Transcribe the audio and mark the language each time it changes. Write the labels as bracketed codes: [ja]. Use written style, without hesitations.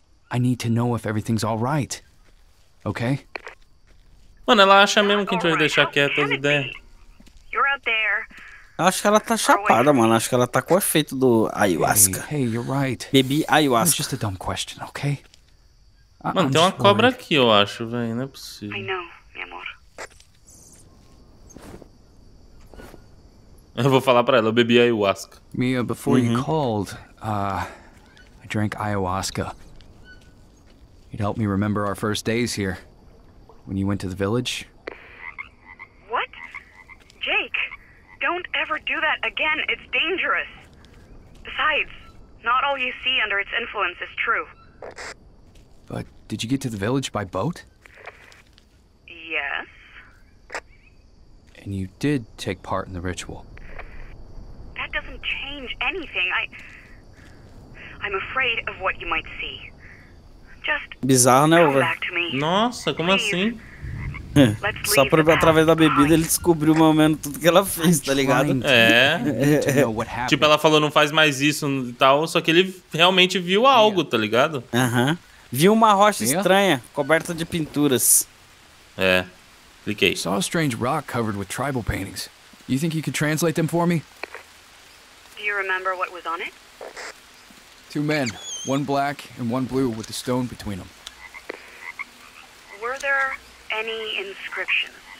[en] I need to know if everything's all right. Okay? [pt] Mano, ela acha mesmo que a gente vai deixar quieto as ideias. [en] You're out there. [pt] Acho que ela tá chapada, mano. Acho que ela tá com o efeito do ayahuasca. [en] Hey, you're right. [pt] Bebi ayahuasca. [en] It's just a dumb question, okay? [pt] Mano, tem uma cobra aqui, eu acho, velho. Não é possível. [en] I know, [pt] meu amor. Eu vou falar pra ela, eu bebi ayahuasca. [en] Mia, before you called, I drank ayahuasca. It helped me remember our first days here. When you went to the village. What? Jake, don't ever do that again. It's dangerous. Besides, not all you see under its influence is true. But did you get to the village by boat? Yes. And you did take part in the ritual. That doesn't change anything. I'm afraid of what you might see. Just [pt] bizarro, né, [en] come back to me. [pt] Nossa, como [en] please. [pt] Assim? Só por, através da bebida, ele descobriu mais ou menos tudo que ela fez, tá ligado? É. Tipo, ela falou, não faz mais isso e tal, só que ele realmente viu algo, tá ligado? Aham. Uh-huh. Viu uma rocha estranha, coberta de pinturas. É. Cliquei. [en] Saw a strange rock covered with tribal paintings. You think you could translate them for me? Do you remember what was on it? Two men, one black and one blue with a stone between them. Were there any inscriptions?